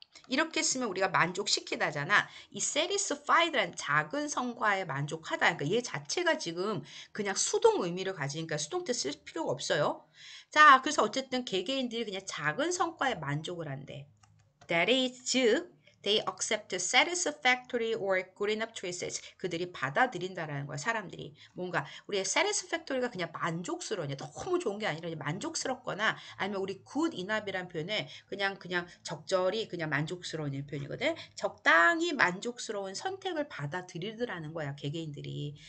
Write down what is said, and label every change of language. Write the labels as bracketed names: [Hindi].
[Korean] 이렇게 쓰면 우리가 만족시키다잖아. 이 satisfied란 작은 성과에 만족하다. 그러니까 얘 자체가 지금 그냥 수동 의미를 가지니까 수동 태쓸 필요가 없어요. 자, 그래서 어쨌든 개개인들이 그냥 작은 성과에 만족을 한대. [English] That is, [Korean] 즉, [English] they accept satisfactory or good enough choices. [Korean] 그들이 받아들인다라는 거야, 사람들이. 뭔가 우리의 satisfactory가 그냥 만족스러우냐, 너무 좋은 게 아니라 만족스럽거나, 아니면 우리 good enough이란 표현에 그냥 적절히 그냥 만족스러운 표현이거든. 적당히 만족스러운 선택을 받아들이더라는 거야, 개개인들이.